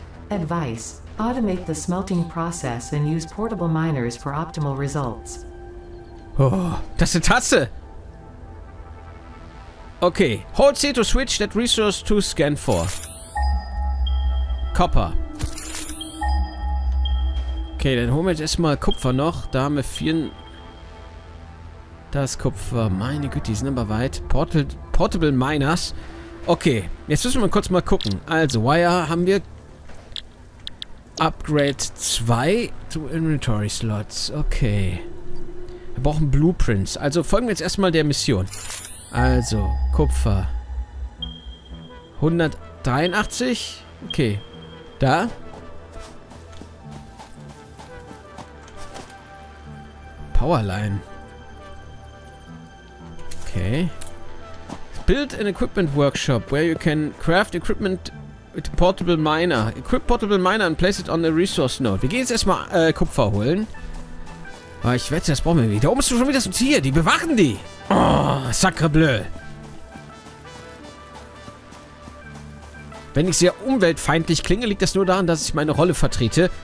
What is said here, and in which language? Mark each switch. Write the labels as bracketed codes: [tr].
[en] Advice: automate the smelting process and use portable miners for optimal results. [de] Oh, das ist Tasse! [en] Okay, hold C to switch that resource to scan for. Copper. [de] Okay, dann holen wir jetzt erstmal Kupfer noch. Da haben wir vier. Das Kupfer. Meine Güte, die sind aber weit. Portable Miners. Okay, jetzt müssen wir kurz mal gucken. Also, Wire haben wir. Upgrade 2 zu Inventory Slots. Okay. Wir brauchen Blueprints. Also folgen wir jetzt erstmal der Mission. Also, Kupfer. 183? Okay. Da. [en] Powerline. Okay. Build an equipment workshop where you can craft equipment with a portable miner. Equip portable miner and place it on the resource node. [de] Wir gehen jetzt erstmal Kupfer holen. Aber ich wette, das brauchen wir wieder. Da oben ist schon wieder so ein Tier. Die bewachen die. [fr] Oh, sacre bleu. [de] Wenn ich sehr umweltfeindlich klinge, liegt das nur daran, dass ich meine Rolle vertrete.